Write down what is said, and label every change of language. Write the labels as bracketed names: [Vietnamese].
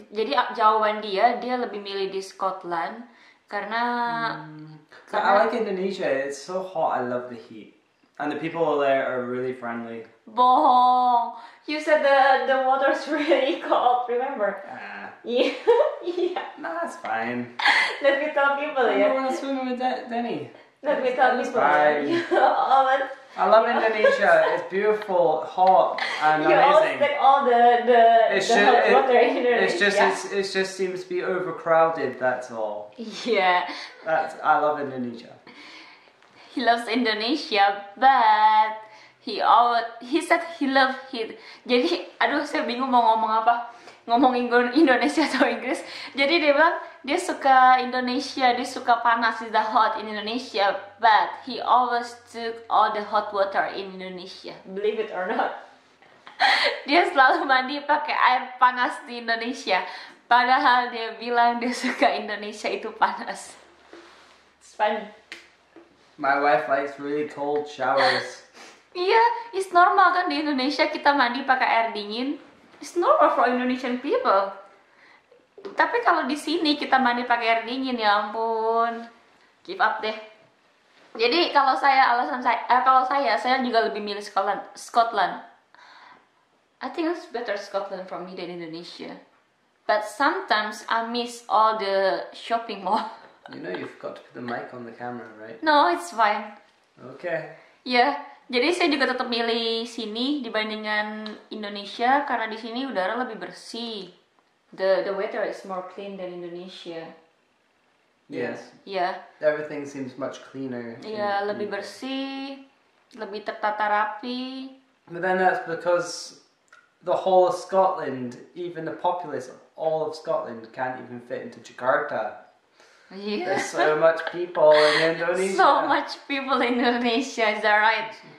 [Indonesian] Jadi jawaban dia lebih milih di Scotland karena [English] I like Indonesia. It's so hot. I love the heat. And the people there are really friendly. [Indonesian] Bohong. [English] you said the water's really cold, remember? Yeah. Nah, it's fine. Let me tell people, yeah. I don't want to swim with Denny. Let me tell people. I love Indonesia. It's beautiful, hot, and you amazing. You always take all the hot water in it. It just seems to be overcrowded, that's all. Yeah. I love Indonesia. He loves Indonesia, but he said he loves it. [Indonesian] Jadi, aduh, saya bingung mau ngomong apa. Ngomong Indonesia atau Inggris. Jadi dia bilang dia suka Indonesia, dia suka panas, [English] the hot in Indonesia, but he always took all the hot water in Indonesia. Believe it or not. [Indonesian] Dia selalu mandi pakai air panas di Indonesia. Padahal dia bilang dia suka Indonesia itu panas. [English] It's funny. My wife likes really cold showers. [Indonesian] Iya, [English] yeah, it's normal [Indonesian] kan di Indonesia kita mandi pakai air dingin. [English] It's normal for Indonesian people. [Indonesian] Tapi kalau di sini kita mandi pakai air dingin, ya ampun. [English] Give up [Indonesian] deh. Jadi kalau saya alasan saya juga lebih milih Scotland. [English] I think it's better Scotland for me than Indonesia. But sometimes I miss all the shopping mall. You know you forgot to put the mic on the camera, right? No, it's fine. Okay. Yeah. [Indonesian] Jadi saya juga tetap milih sini dibandingkan Indonesia karena di sini udara lebih bersih. [English] The weather is more clean than Indonesia. Yes. Yeah. Everything seems much cleaner. [Indonesian] Yeah, lebih bersih, lebih tertata rapi. [English] But then that's because the whole of Scotland, even the populace of all of Scotland, can't even fit into Jakarta. Yeah. There's so much people in Indonesia. So much people in Indonesia, is that right?